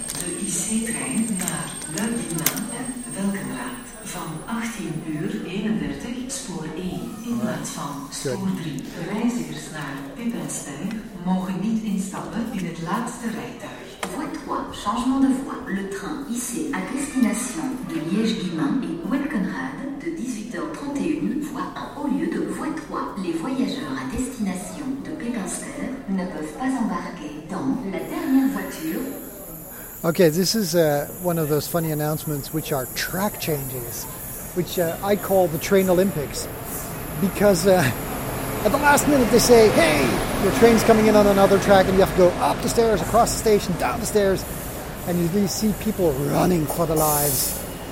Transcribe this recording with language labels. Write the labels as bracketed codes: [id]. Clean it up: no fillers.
[nl] De IC-trein naar Luik-Dinant en Welkenraad. Van 18 uur 31, spoor 1. In plaats van spoor 3, reizigers naar Pippenstein mogen niet instappen in het laatste rijtuig. [fr] Voie 3, changement de voie. Le train IC à destination de Liège-Guimin et Welkenraad de 18h31, voie 1. Au lieu de voie 3, les voyageurs à destination de Pépinster ne peuvent pas embarquer dans la dernière voiture. [en] Okay, this is one of those funny announcements which are track changes, which I call the Train Olympics, because at the last minute they say, hey, your train's coming in on another track, and you have to go up the stairs, across the station, down the stairs, and you see people running for their lives.